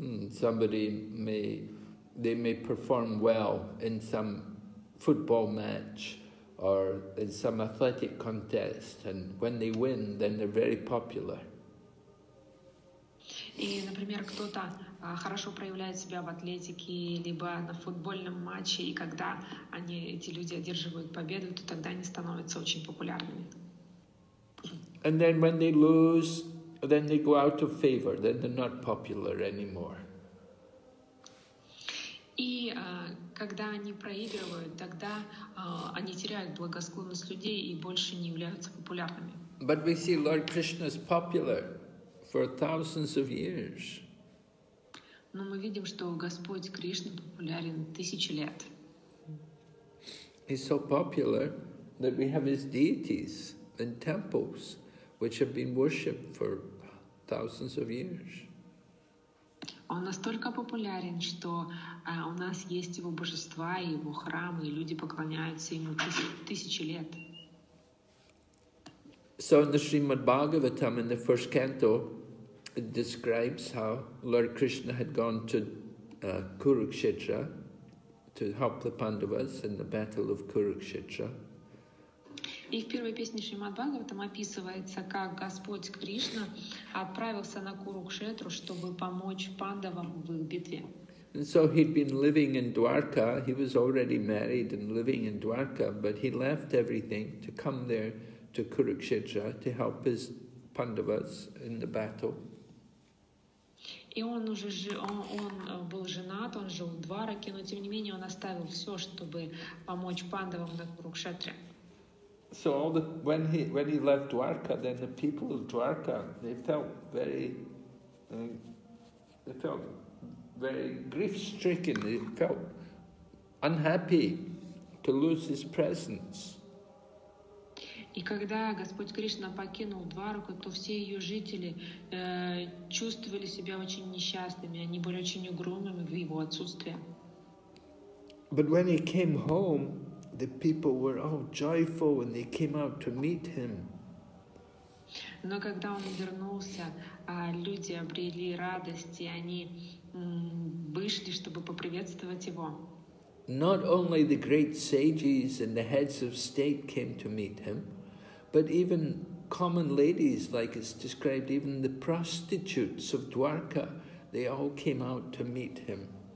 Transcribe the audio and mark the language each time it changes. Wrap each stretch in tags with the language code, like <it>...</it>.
<en>Somebody may, they may perform well in some football match or in some athletic contest, and when they win, then they're very popular.</en> <ru>И, например, кто-то хорошо проявляет себя в атлетике либо на футбольном матче, и когда они, эти люди, одерживают победу, то тогда они становятся очень популярными.</ru> <en>And then when they lose, then they go out of favor, then they're not popular anymore.</en> <ru>И когда они проигрывают, тогда они теряют благосклонность людей и больше не являются популярными.</ru> <en>But we see Lord Krishna's popular for thousands of years.</en> <ru>Но мы видим, что Господь Кришна популярен тысячи лет.</ru> <en>He's so popular that we have his deities and temples which have been worshipped for thousands of years.</en> <ru>Он настолько популярен, что у нас есть его божества и его храмы, и люди поклоняются ему тысячи лет.</ru> <en>So in the Srimad Bhagavatam, in the first canto, it describes how Lord Krishna had gone to Kurukshetra to help the Pandavas in the battle of Kurukshetra.</en> <ru>И в первой песне Шримад Бхагаватам описывается, как Господь Кришна отправился на Курукшетру, чтобы помочь Пандавам в их битве.</ru> <en>And so he'd been living in Dwarka. He was already married and living in Dwarka, but he left everything to come there to Kurukshetra to help his Pandavas in the battle.</en> <ru>И он уже он был женат, он жил в Двараке, но тем не менее он оставил все, чтобы помочь Пандавам на Курукшетре.</ru> <en>So all the, when he left Dwarka, then the people of Dwarka, they felt very grief-stricken. They felt unhappy to lose his presence.</en> <ru>И когда Господь Кришна покинул Двараку, то все ее жители чувствовали себя очень несчастными. Они были очень угрюмыми в его отсутствии.</ru> <en>But when he came home, the people were all joyful when they came out to meet him.</en> <ru>Но когда он вернулся, люди обрели радость, и они вышли, чтобы поприветствовать его.</ru> <en>Not only the great sages and the heads of state came to meet him, but even common ladies, like it's described, even the prostitutes of Dwarka, they all came out to meet him.</en>